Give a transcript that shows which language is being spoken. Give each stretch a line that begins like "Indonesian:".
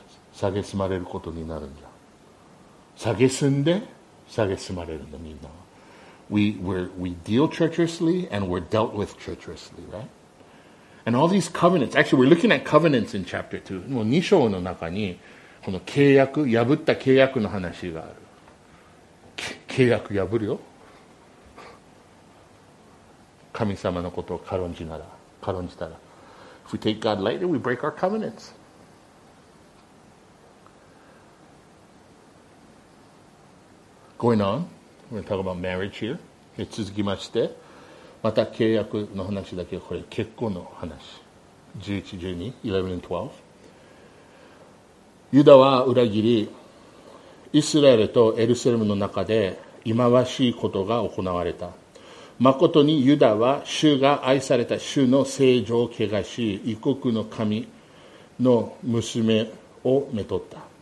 Japanese: 蔑まれることになるんじゃ。蔑まれるんだ、みんなは。
English: We deal treacherously and we're dealt with treacherously, right? And all these covenants, actually we're looking at covenants in chapter 2.
Japanese: もう2章の中にこの契約、破った契約の話がある。契約破るよ。神様のことを軽んじたら。
English: If we take God lightly, we break our covenants. Going on, we're going to talk about marriage here.
Japanese: 続きまして。また契約の話だけ、これ結婚の話。 11、12、11、12。ユダは裏切り、イスラエルとエルサレムの中で忌まわしいことが行われた。誠にユダは主が愛された主の聖城を汚し、異国の神の娘をめとった。